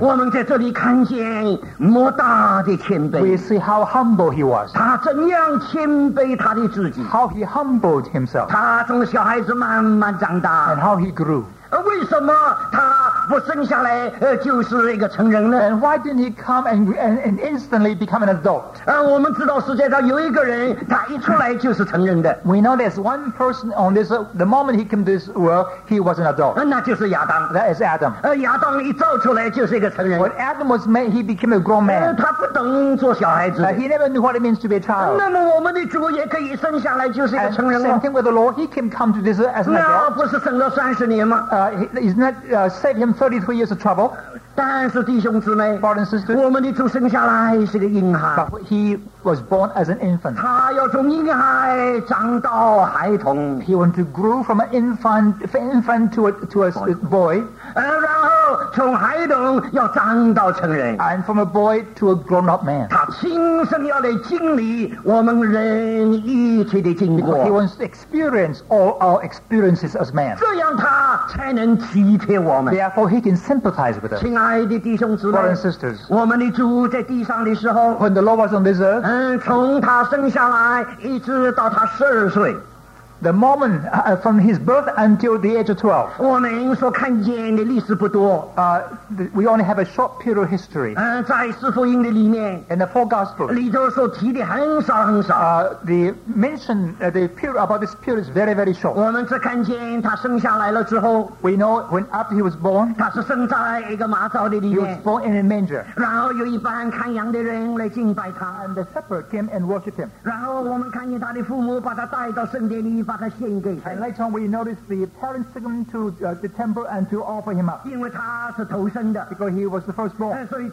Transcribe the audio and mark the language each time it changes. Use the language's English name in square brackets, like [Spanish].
[Chinese] 我们在这里看见莫大的谦卑, [English] we see how humble he was, [Chinese] 他怎样谦卑他的自己, [English] how he humbled himself, [Chinese] 他从小孩子慢慢长大, [English] and how he grew. [Chinese] 为什么他不生下来, 就是一个成人呢? [English] And why didn't he come and instantly become an adult? [Chinese] 我们知道世界上有一个人, 他一出来就是成人的, [English] we know there's one person on this, the moment he came to this world, he was an adult. [Chinese] 那就是亚当, [English] that is Adam. [Chinese] 亚当一造出来就是一个成人, [English] when Adam was made, he became a grown man. [Chinese] 他不懂做小孩子, [English] he never knew what it means to be a child. [Chinese] 那么我们的主也可以生下来就是一个成人, [English] same thing with the Lord, he can come to this as an adult. [Chinese] 那不是生了30年吗? [English] Isn't that save him 33 years of trouble? [Chinese] 但是弟兄姊妹, [English] brothers and sisters, [Chinese] 我们的主生下来是个婴孩, [English] but he was born as an infant. [Chinese] 他要从婴孩长到孩童, [English] he wanted to grow from an infant to a boy, [Chinese] 然后从孩童要长到成人, [English] and from a boy to a grown up man. [Chinese] 他亲身要来经历我们人一切的经过, [English] he wants to experience all our experiences as man. [Chinese] 这样他才能体贴我们, [English] therefore he can sympathize with us. [Chinese] 亲爱的弟兄姊妹, [English] brothers and sisters, when the Lord was on this earth, [Chinese] 从他生下来一直到他12岁, [English] the moment from his birth until the age of 12. [Chinese] 我们所看见的历史不多, [English] we only have a short period of history. [Chinese] 在四福音的里面, [English] in the four gospels, [Chinese] 里头所提的很少很少, [English] the mention the period about this period is very, very short. [Chinese] 我们只看见他生下来了之后, [English] we know when after he was born, [Chinese] 他是生在一个马槽的里面, [English] he was born in a manger. [Chinese] 然后有一帮看羊的人来敬拜他, [English] and the shepherd came and worshipped him. [Chinese] 然后我们看见他的父母把他带到圣殿里, [English] and later on we noticed the parents took him to the temple and to offer him up, because he was the firstborn.